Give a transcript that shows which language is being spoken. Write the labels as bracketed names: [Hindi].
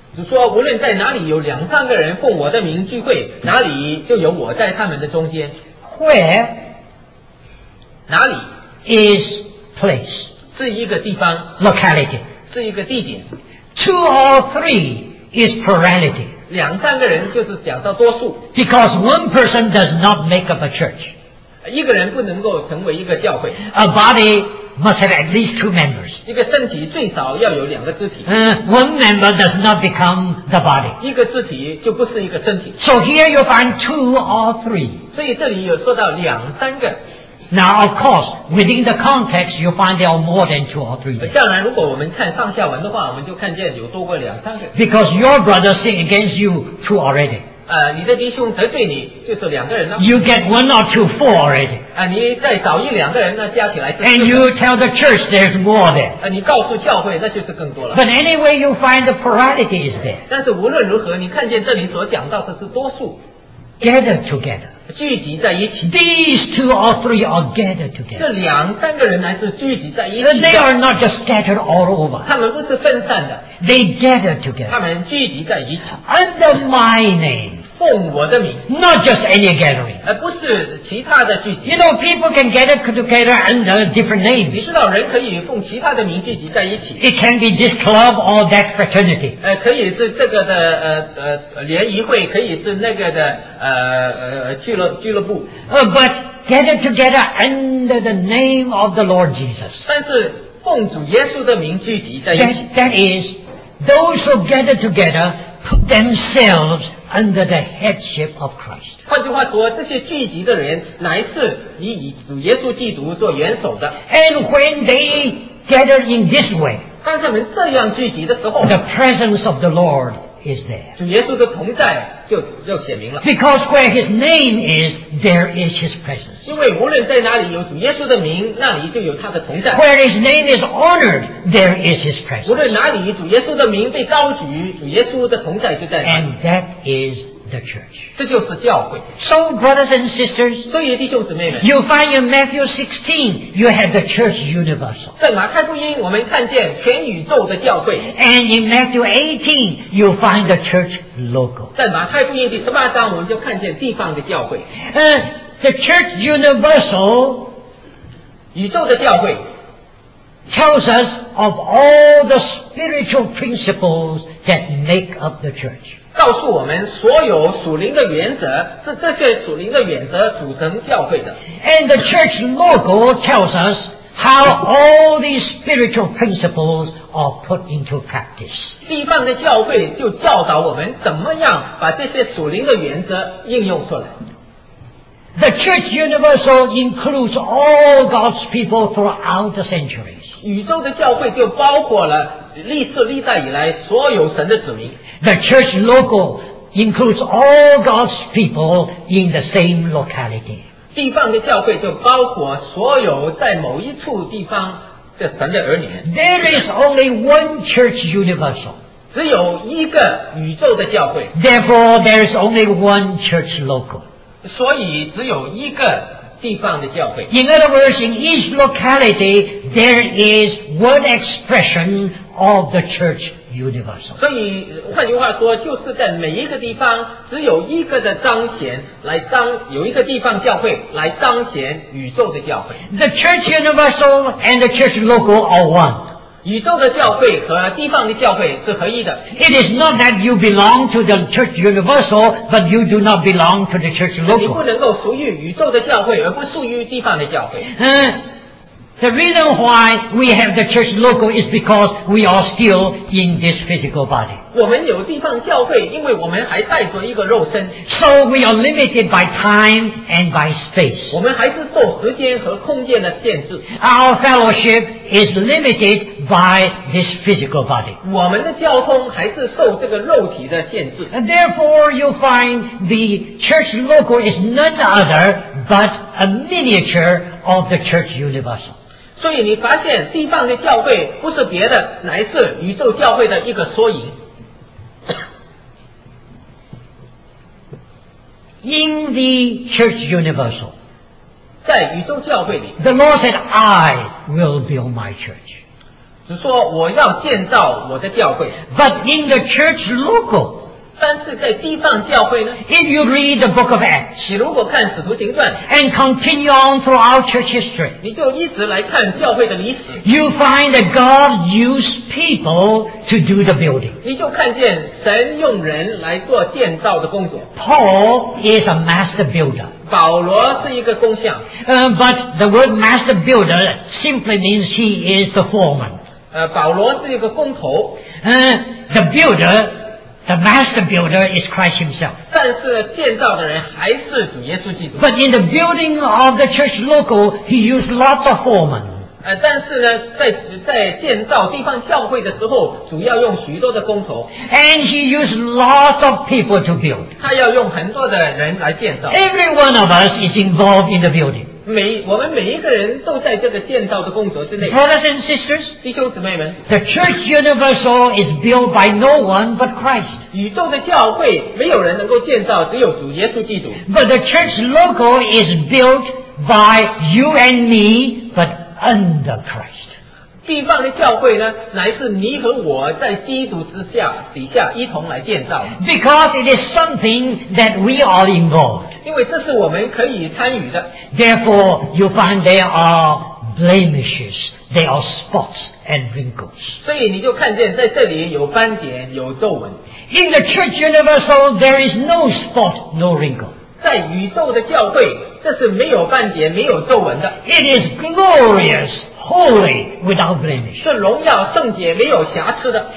[Chinese] 主说，无论在哪里有两三个人奉我的名聚会，哪里就有我在他们的中间。 [English] Where? [Chinese] 哪里 [English] is place? [Chinese] 是一个地方 [English] locality. [Chinese] 是一个地点。 [English] Two or three is plurality. [Chinese] 两三个人就是讲到多数。 [English] Because one person does not make up a church. [Chinese] 一个人不能够成为一个教会。 [English] A body must have at least two members. [Chinese] 一个身体最少要有两个肢体。 [English] One member does not become the body. [Chinese] 一个肢体就不是一个身体。 [English] So here you find two or three. [Chinese] 所以这里有说到两三个。 [English] Now of course, within the context, you find there are more than two or three. [Chinese] 当然如果我们看上下文的话，我们就看见有多过两三个。 [English] Because your brother sinned against you two already. [Chinese] 你的弟兄得罪你，就是两个人呢。 [English] You get one or two for it. [Chinese] 你再找一两个人呢，加起来就。 [English] And you tell the church there's more there. [Chinese] 你告诉教会那就是更多了。 [English] But anyway, you find the plurality is there. [Chinese] 但是无论如何，你看见这里所讲到的是多数。 [English] Gathered together. [Chinese] 聚集在一起。 [English] These two or three are gathered together. [Chinese] 这两三个人呢是聚集在一起。 [English] They are not just scattered all over. [Chinese] 他们不是分散的。 [English] They gather together. [Chinese] 他们聚集在一起。 [English] Under my name. [Chinese] 奉我的名。 [English] Not just any gathering. [Chinese] 不是其他的聚集。 [English] You know, people can gather together under different names. [Chinese] 你知道人可以奉其他的名聚集在一起。 [English] It can be this club or that fraternity. [Chinese] 可以是这个的联谊会，可以是那个的俱乐部。 [English] But gather together under the name of the Lord Jesus. [Chinese] 但是奉主耶稣的名聚集在一起。 [English] That is, those who gather together put themselves under the headship of Christ. [Chinese] 换句话说，这些聚集的人乃是以主耶稣基督做元首的。 [English] And when they gather in this way, [Chinese] 当他们这样聚集的时候， [English] the presence of the Lord is there. [Chinese] 主耶稣的同在就显明了。 [English] Because where his name is, there is his presence. [Chinese] 因为无论在哪里有主耶稣的名，那里就有他的同在。 [English] Where his name is honored, there is his presence. [Chinese] 无论哪里主耶稣的名被高举，主耶稣的同在就在那里。 [English] And that is the church. [Chinese] 这就是教会。 [English] So brothers and sisters, [Chinese] 所以弟兄姊妹们， [English] you find in Matthew 16, you have the church universal. [Chinese] 在马太福音我们看见全宇宙的教会。 [English] And in Matthew 18, you find the church local. [Chinese] 在马太福音第十八章我们就看见地方的教会。 [English] The church universal, [Chinese] 宇宙的教会， [English] tells us of all the spiritual principles that make up the church. [Chinese] 告诉我们所有属灵的原则，是这些属灵的原则组成教会的。 [English] And the church local tells us how all these spiritual principles are put into practice. [Chinese] 地方的教会就教导我们怎么样把这些属灵的原则应用出来。 [English] The church universal includes all God's people throughout the centuries. [Chinese] 宇宙的教会就包括了历世历代以来所有神的子民。 [English] The church local includes all God's people in the same locality. [Chinese] 地方的教会就包括所有在某一处地方的神的儿女。 [English] There is only one church universal. [Chinese] 只有一个宇宙的教会。 [English] Therefore, there is only one church local. [Chinese] 所以只有一个地方的教会。 [English] In other words, in each locality, there is one expression of the church universal. [Chinese] 所以换句话说，就是在每一个地方，只有一个的彰显来彰，有一个地方教会来彰显宇宙的教会。 [English] The church universal and the church local are one. [Chinese] 宇宙的教会和地方的教会是合一的。 [English] It is not that you belong to the church universal, but you do not belong to the church local. [Chinese] 你不能够属于宇宙的教会，而不属于地方的教会。 [English] The reason why we have the church local is because we are still in this physical body. [Chinese] 我们有地方教会，因为我们还带着一个肉身。 [English] So we are limited by time and by space. [Chinese] 我们还是受时间和空间的限制。 [English] Our fellowship is limited by this physical body. [Chinese] 我们的交通还是受这个肉体的限制。 [English] And therefore you find the church local is none other but a miniature of the church universal. [Chinese] 所以你发现地方的教会不是别的，乃是宇宙教会的一个缩影。 [English] In the church universal, [Chinese] 在宇宙教会里， [English] the Lord said, I will build my church. [Chinese] 只说我要建造我的教会。 [English] But in the church local, [Chinese] 但是在地方教会呢， [English] if you read the book of Acts, [Chinese] 你如果看使徒行传， [English] and continue on throughout church history, [Chinese] 你就一直来看教会的历史， [English] you find that God used people to do the building. [Chinese] 你就看见神用人来做建造的工作。 [English] Paul is a master builder. [Chinese] 保罗是一个工匠。 [English] But the word master builder simply means he is the foreman. [Chinese] 保罗是一个工头。 [English] The builder,The master builder is Christ himself. [Chinese] 但是建造的人还是主耶稣基督。 [English] But in the building of the church local, he used lots of foremen. [Chinese] 但是呢，在建造地方教会的时候，主要用许多的工头。 [English] And he used lots of people to build. [Chinese] 他要用很多的人来建造。 [English] Every one of us is involved in the building. [Chinese] 我们每一个人都在这个建造的工作之内。 [English] Brothers and sisters, [Chinese] 弟兄姊妹们 [English] ，The church universal is built by no one but Christ. [Chinese] 宇宙的教会没有人能够建造，只有主耶稣基督。 [English] But the church local is built by you and me, but under Christ. [Chinese] 地方的教会呢，乃是你和我在基督之下底下一同来建造。 [English] Because it is something that we are involved. [Chinese] 因为这是我们可以参与的。 [English] Therefore, you find there are blemishes, there are spots and wrinkles. [Chinese] 所以你就看见在这里有斑点，有皱纹。 [English] In the church universal, there is no spot, no wrinkle. [Chinese] 在宇宙的教会，这是没有半点没有皱纹的。 [English] It is glorious, holy, without blemish. [Chinese] 是荣耀圣洁没有瑕疵的。